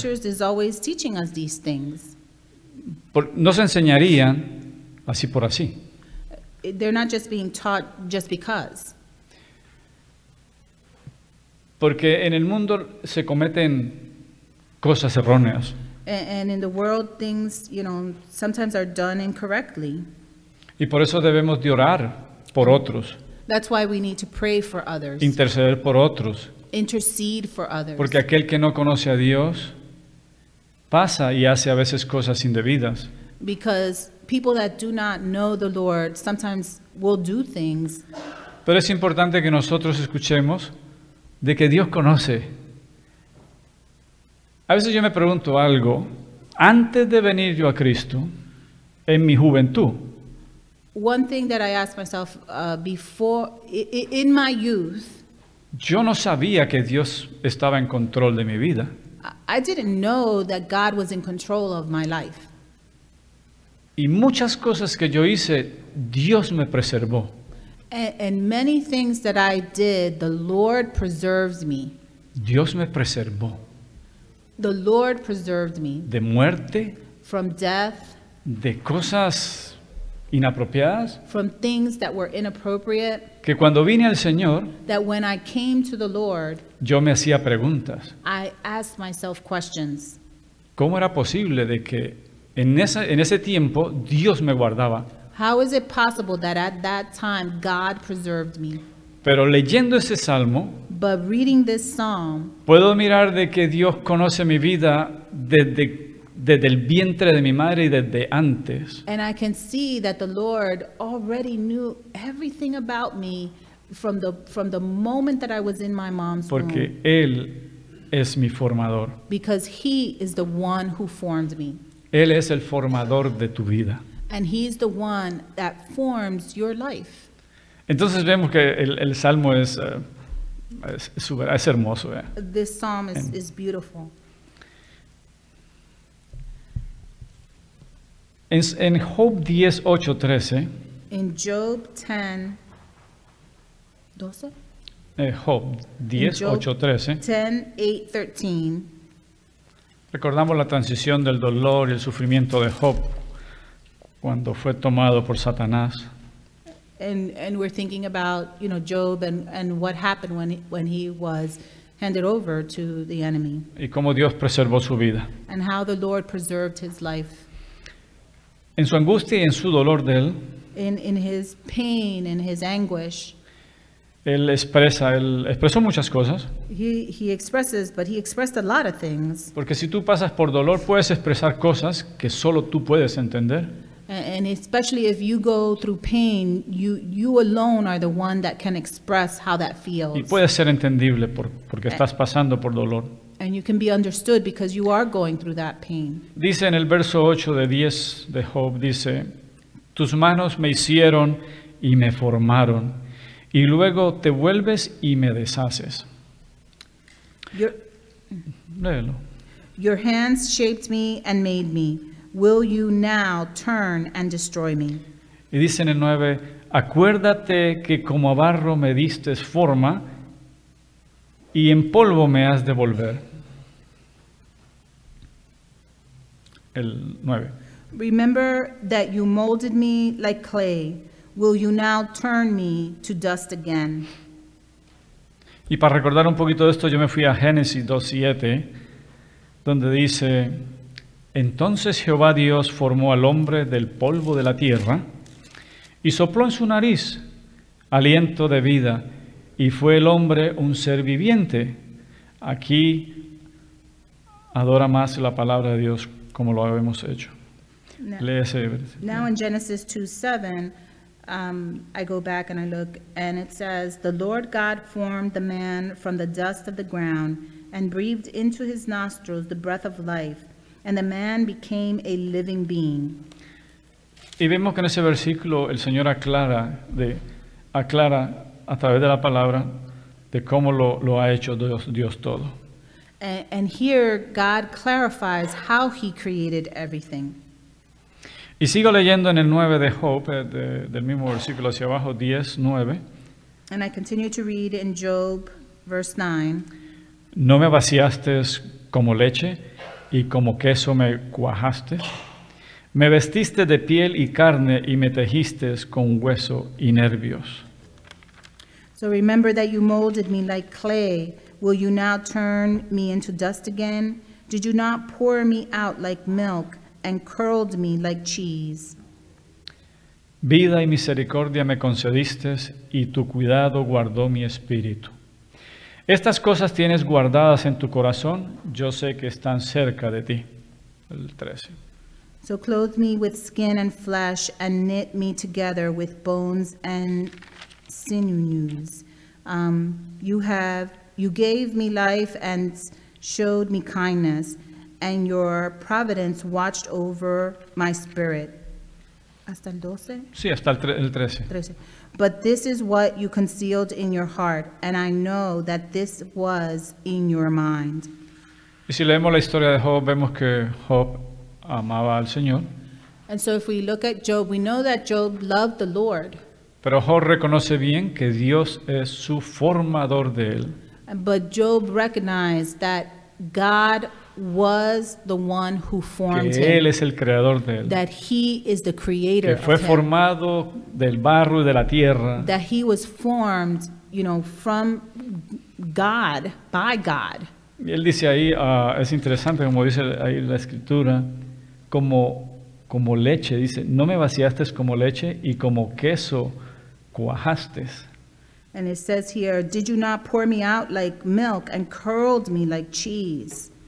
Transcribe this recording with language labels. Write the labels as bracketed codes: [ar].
[en] Scriptures is always teaching us these things. [es] No se enseñarían así por así. [en] They're not just being taught just because. [es] Porque en el mundo se cometen cosas erróneas. [en] And in the world, things, you know, sometimes are done incorrectly. [es] Y por eso debemos de orar por otros. [en] That's why we need to pray for others. [es] Interceder por otros. [en] Intercede for others. [es] Porque aquel que no conoce a Dios pasa y hace a veces cosas indebidas. [en] Because people that do not know the Lord sometimes will do things. [es] Pero es importante que nosotros escuchemos de que Dios conoce. A veces yo me pregunto algo. Antes de venir yo a Cristo, en mi juventud. [en] One thing that I asked myself before, in my youth. [es] Yo no sabía que Dios estaba en control de mi vida. [en] I didn't know that God was in control of my life. [es] Y muchas cosas que yo hice, Dios me preservó. [en] And many things that I did, the Lord preserves me. [es] Dios me preservó. [en] The Lord preserved me. [es] De muerte. [en] From death. [es] De cosas inapropiadas. [en] From things that were inappropriate. [es] Que cuando vine al Señor. [en] That when I came to the Lord. [es] Yo me hacía preguntas. [en] I asked myself questions. [es] ¿Cómo era posible de que en ese tiempo Dios me guardaba? [en] How is it possible that at that time God preserved me? [es] Pero leyendo ese salmo, [en] but reading this psalm, [es] puedo mirar de que Dios conoce mi vida desde el vientre de mi madre y desde antes. [en] And I can see that the Lord already knew everything about me from the moment that I was in my mom's [es] porque [en] womb. [es] Porque Él es mi formador. [en] Because He is the one who formed me. [es] Él es el formador de tu vida. [en] And He's the one that forms your life. [es] Entonces vemos que el salmo es hermoso. [en] This psalm is beautiful. [es] En Job 10:8-13. [en] In Job 10. 12? [es] Job 10:8-13. 10:8-13. Recordamos la transición del dolor y el sufrimiento de Job cuando fue tomado por Satanás. [en] And we're thinking about, you know, Job and what happened when he was handed over to the enemy. [es] Y cómo Dios preservó su vida. [en] And how the Lord preserved his life. [es] En su angustia y en su dolor de él. [en] In his pain and his anguish. [es] Él expresó muchas cosas. [en] He expresses, but he expressed a lot of things. [es] Porque si tú pasas por dolor, puedes expresar cosas que solo tú puedes entender. [en] And especially if you go through pain, you alone are the one that can express how that feels. [es] Y puede ser entendible porque estás pasando por dolor. [en] And you can be understood because you are going through that pain. [es] Dice en el verso 8 de 10 de Job, dice, tus manos me hicieron y me formaron, y luego te vuelves y me deshaces. [en] Your hands shaped me and made me. Will you now turn and destroy me? [es] Y dice en el 9, acuérdate que como a barro me diste forma y en polvo me has de volver. El 9. [en] Remember that you molded me like clay. Will you now turn me to dust again? [es] Y para recordar un poquito de esto, yo me fui a Génesis 2:7, donde dice, entonces Jehová Dios formó al hombre del polvo de la tierra y sopló en su nariz aliento de vida y fue el hombre un ser viviente. Aquí adora más la palabra de Dios como lo habíamos hecho. [en] Now in Genesis 2:7, I go back and I look and it says, the Lord God formed the man from the dust of the ground and breathed into his nostrils the breath of life. And the man became a living being. [es] Y vemos que en ese versículo el Señor aclara a través de la palabra de cómo lo ha hecho Dios todo. [en] And here God clarifies how he created everything. [es] Y sigo leyendo en el 9 de Job, del mismo versículo hacia abajo, 10:9. [en] And I continue to read in Job, verse 9. [es] No me vaciaste como leche. Y como queso me cuajaste. Me vestiste de piel y carne y me tejiste con hueso y nervios. [en] So remember that you molded me like clay. Will you now turn me into dust again? Did you not pour me out like milk and curled me like cheese? [es] Vida y misericordia me concediste y tu cuidado guardó mi espíritu. Estas cosas tienes guardadas en tu corazón, yo sé que están cerca de ti. El 13. [en] So clothe me with skin and flesh and knit me together with bones and sinews. You gave me life and showed me kindness, and your providence watched over my spirit. [es] ¿Hasta el 12? Sí, hasta el 13. 13. [en] But this is what you concealed in your heart, and I know that this was in your mind. [es] Y si leemos la historia de Job, vemos que Job amaba al Señor. [en] And so if we look at Job, we know that Job loved the Lord. [es] Pero Job reconoce bien que Dios es su formador de él. [en] But Job recognized that God was the one who formed [es] que él es el creador de él. [en] That he is the creator. [es] Que fue formado del barro y de la tierra. [en] That he was formed, you know, from God, by God. [es] Y él dice ahí, es interesante como dice ahí la escritura, como leche, dice, no me vaciaste como leche y como queso cuajaste. [en] And it says here, did you not pour me out like milk and curled me like cheese?